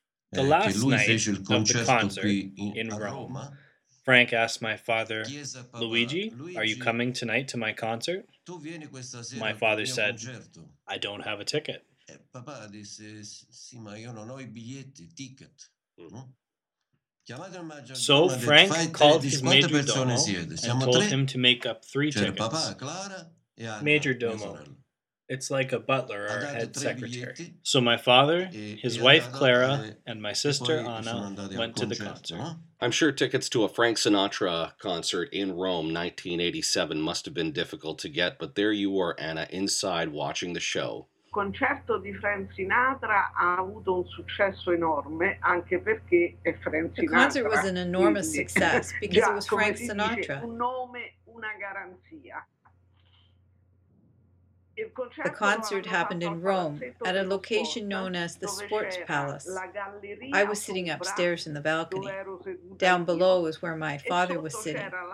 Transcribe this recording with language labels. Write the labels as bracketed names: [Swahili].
[English] the last night of the concert in Roma, Frank asked my father, Luigi, are you coming tonight to my concert? My father said, I don't have a ticket. [Italian] E papà disse, sì, ma io non ho I biglietti, ticket. [English] Mm. So Frank called his majordomo and told him to make up three tickets. [Italian] Papà, Clara e Anna, [English] majordomo. It's like a butler or a head secretary. So my father, his wife Clara, and my sister Anna went to the concert. I'm sure tickets to a Frank Sinatra concert in Rome, 1987, must have been difficult to get, but there you were, Anna, inside watching the show. [Italian] Concerto di Frank Sinatra ha avuto un successo enorme anche perché è Frank Sinatra. [English] The concert was an enormous success because it was Frank Sinatra. [Italian] Un nome, una garanzia. [English] The concert happened in Rome at a location known as the Sports Palace. I was sitting upstairs in the balcony. Down below is where my father was sitting.